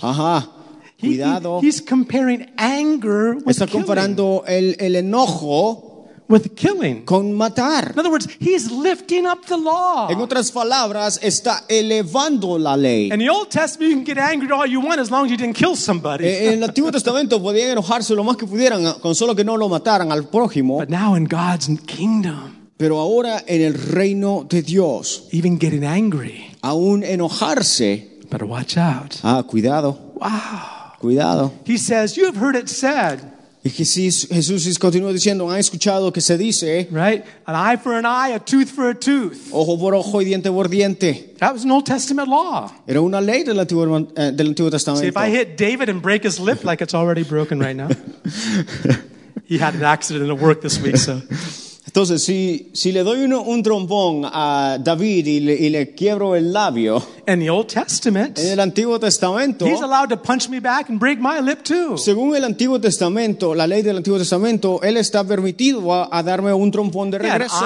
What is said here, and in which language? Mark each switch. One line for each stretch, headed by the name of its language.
Spanish: Ajá. Cuidado.
English: He's comparing anger with
Spanish: está comparando
English: killing.
Spanish: El enojo
English: with killing.
Spanish: Con matar.
English: In other words, he's lifting up the law.
Spanish: En otras palabras, está elevando la ley.
English: In the Old Testament, you can get angry all you want as long as you didn't kill somebody.
Spanish: En el Antiguo Testamento podían enojarse lo más que pudieran con solo que no lo mataran al prójimo.
English: But now in God's kingdom,
Spanish: pero ahora en el reino de Dios,
English: even getting angry,
Spanish: aún enojarse,
English: better watch out.
Spanish: Ah, cuidado. Wow. Cuidado.
English: He says, you have heard it said.
Spanish: Y Jesús continuó diciendo, ¿han escuchado que se dice?
English: Right? An eye for an eye, a tooth for a tooth.
Spanish: Ojo por ojo y diente por diente.
English: That was an Old Testament law.
Spanish: Era una ley del Antiguo Testamento.
English: See, if I hit David and break his lip like it's already broken right now. He had an accident at work this week, so.
Spanish: Entonces, si le doy un trombón a David y le quiebro el labio,
English: in the Old Testament,
Spanish: en el Antiguo Testamento,
English: he's allowed to punch me back and break my lip too.
Spanish: Según el Antiguo Testamento, la ley del Antiguo Testamento, él está permitido a darme un trombón de regreso.